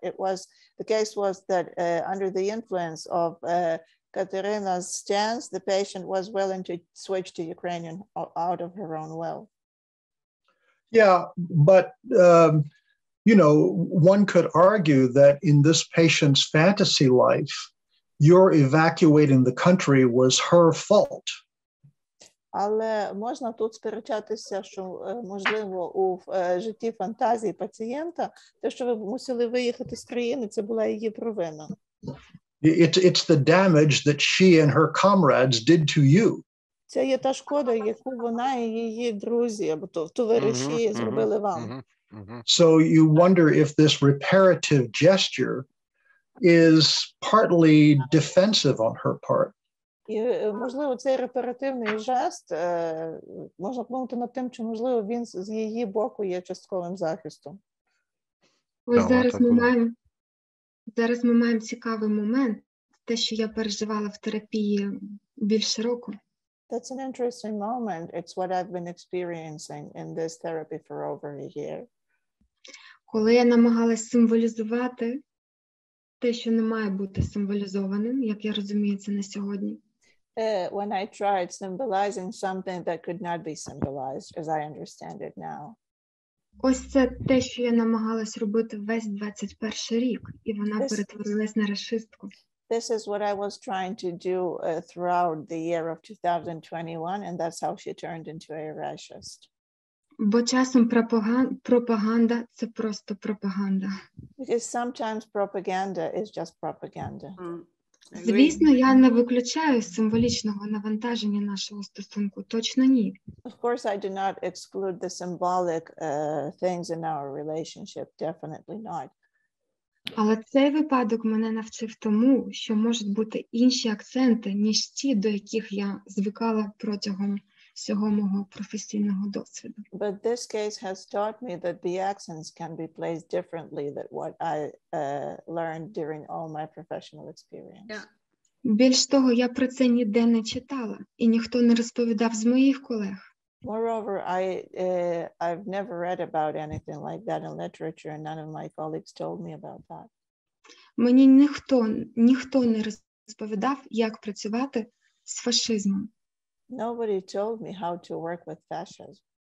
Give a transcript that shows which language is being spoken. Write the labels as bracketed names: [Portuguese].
[English] It was, the case was that under the influence of Katerina's stance, the patient was willing to switch to Ukrainian out of her own will. Yeah, but you know, one could argue that in this patient's fantasy life, your evacuating the country was her fault. [Ukrainian] Але можна тут сперечатися, що можливо у житті фантазії пацієнта те, що ви мусили виїхати з країни, це була її провина. [English] It's the damage that she and her comrades did to you. [Ukrainian] Це є та шкода, яку вона і її друзі або товариші зробили вам. [English] So you wonder if this reparative gesture is partly defensive on her part. [Ukrainian] Можливо, цей репаративний жест, можна подумати над тим, чи можливо він з її боку є частковим захистом. Ось зараз ми маємо цікавий момент, те, що я переживала в терапії більше року. [English] That's an interesting moment. It's what I've been experiencing in this therapy for over a year. [Ukrainian] Коли я намагалась символізувати те, що не має бути символізованим, як я розумію це на сьогодні. [English] When I tried symbolizing something that could not be symbolized, as I understand it now. [Ukrainian] Ось це те, що я намагалась робити весь 21 рік, і вона перетворилась на рашистку. [English] This is what I was trying to do throughout the year of 2021, and that's how she turned into a racist. [Ukrainian] Бо часом пропаганда – це просто пропаганда. [English] Because sometimes propaganda is just propaganda. [Ukrainian] Звісно, я не виключаю символічного навантаження нашого стосунку. Точно ні. [English] Of course, I do not exclude the symbolic things in our relationship. Definitely not. [Ukrainian] Але цей випадок мене навчив тому, що можуть бути інші акценти, ніж ті, до яких я звикала протягом всього мого професійного досвіду. [English] But this case has taught me that the accents can be placed differently than what I learned during all my professional experience. Yeah. [Ukrainian] Більш того, я про це ніде не читала, і ніхто не розповідав з моїх колег. [English] Moreover, I've never read about anything like that in literature, and none of my colleagues told me about that. [Ukrainian] Мені ніхто не розповідав, як працювати з фашизмом. [English] Nobody told me how to work with fascism.